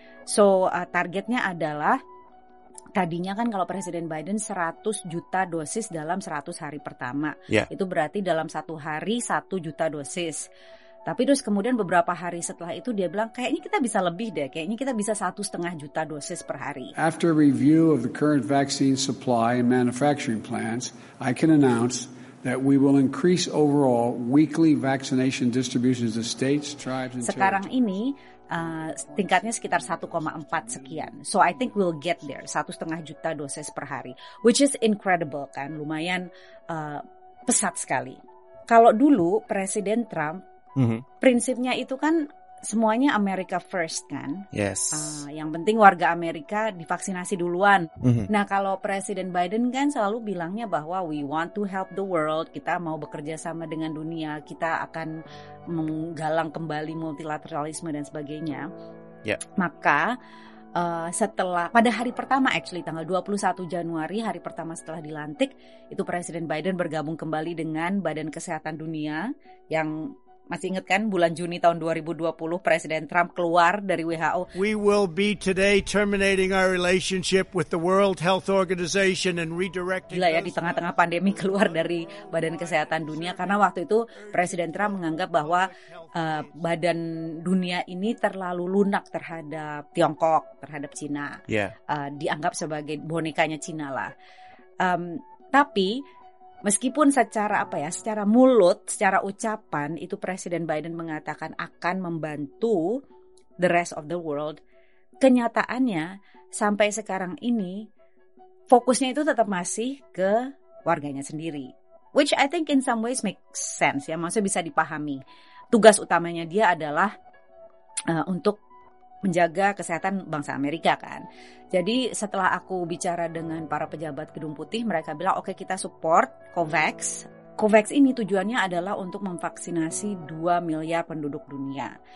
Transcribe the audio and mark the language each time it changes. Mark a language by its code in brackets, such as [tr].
[id] So targetnya adalah tadinya kan kalau Presiden Biden 100 juta dosis dalam 100 hari pertama. [en] Yeah. [id] Itu berarti dalam 1 hari 1 juta dosis. Tapi terus kemudian beberapa hari setelah itu dia bilang kayaknya kita bisa lebih deh. Kayaknya kita bisa 1,5 juta dosis per hari. [en] After review of the current vaccine supply and manufacturing plans, I can announce that we will increase overall weekly vaccination distributions to states, tribes, and [id] sekarang ini tingkatnya sekitar 1,4 sekian. [en] So I think we'll get there, 1,5 [id] juta dosis per hari, [en] which is incredible [id] kan, lumayan pesat sekali. Kalau dulu Presiden Trump, prinsipnya itu kan semuanya [en] America first [id] kan. [en] Yes. [id] Yang penting warga Amerika divaksinasi duluan. Nah kalau Presiden Biden kan selalu bilangnya bahwa [en] we want to help the world, [id] kita mau bekerja sama dengan dunia, kita akan menggalang kembali multilateralisme dan sebagainya. [en] Yeah. [id] Maka setelah pada hari pertama, actually tanggal 21 Januari hari pertama setelah dilantik, itu Presiden Biden bergabung kembali dengan Badan Kesehatan Dunia. Yang masih ingat kan bulan Juni tahun 2020 Presiden Trump keluar dari WHO. [en] We will be today terminating our relationship with the World Health Organization and redirecting. [id] Gila ya, di tengah-tengah pandemi keluar dari Badan Kesehatan Dunia karena waktu itu Presiden Trump menganggap bahwa Badan Dunia ini terlalu lunak terhadap Tiongkok, terhadap Cina. [en] Yeah. [id] Dianggap sebagai bonekanya Cina lah. Tapi meskipun secara apa ya, secara mulut, secara ucapan itu Presiden Biden mengatakan akan membantu [en] the rest of the world, [id] kenyataannya sampai sekarang ini fokusnya itu tetap masih ke warganya sendiri. [en] Which I think in some ways makes sense [id] ya, maksudnya bisa dipahami. Tugas utamanya dia adalah untuk menjaga kesehatan bangsa Amerika kan. Jadi setelah aku bicara dengan para pejabat Gedung Putih, mereka bilang oke, kita support COVAX. COVAX ini tujuannya adalah untuk memvaksinasi 2 miliar penduduk dunia.